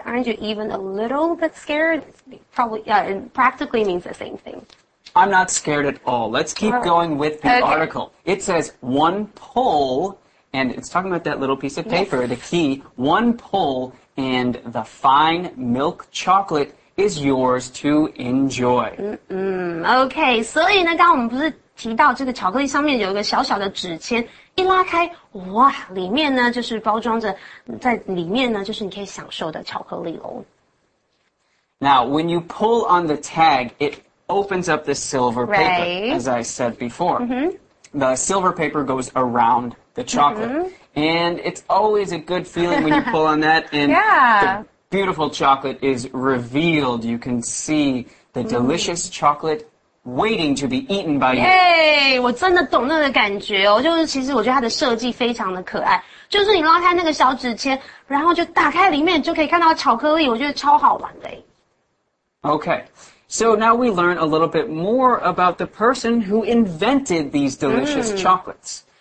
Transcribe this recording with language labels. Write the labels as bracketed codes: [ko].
[en] Aren't you even a little bit scared? Probably, it practically means the same thing. I'm not scared at all. Let's keep going with the article. It says one pull, and it's talking about that little piece of paper, the key. One pull and the fine milk chocolate is yours to enjoy. [zh] Okay, 所以呢，刚刚我们不是提到这个巧克力上面有一个小小的纸签，一拉开，哇，里面呢就是包装着，在里面呢就是你可以享受的巧克力哦。 [en] Now, when you pull on the tag, it opens up the silver paper, as I said before. The silver paper goes around the chocolate. And it's always a good feeling when you pull on that, and the beautiful chocolate is revealed. You can see the delicious chocolate. Waiting to be eaten by you. [zh] Hey, 我真的懂那个感觉哦，就是其实我觉得它的设计非常的可爱，就是你拉开那个小纸签，然后就打开里面就可以看到巧克力，我觉得超好玩的。 [en] Okay, so now we learn a little bit more about the person who invented these delicious chocolates.